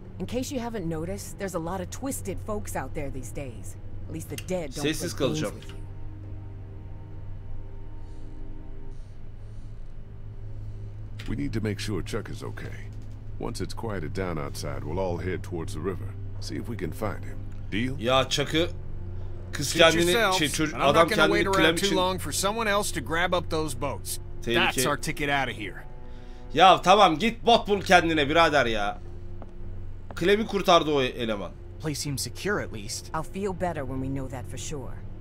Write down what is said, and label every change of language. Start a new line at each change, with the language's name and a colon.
English: In case you haven't noticed, there's a lot of twisted folks out there these days. At least the dead don't play games with you. We need to make sure Chuck is okay. Once it's quieted down outside, we'll all head towards the river. See if we can find him. Deal?
Turkish: Ya Chuck'ı kız kendini adam kendini Clem için
English: too long for someone else to grab up those boats.
Turkish: Tehlike.
English: That's our ticket out of here.
Turkish: Ya tamam git bot bul kendine birader ya. Clem'i kurtardı o eleman.
English: Place seems secure at least. I'll feel better when we know that for sure.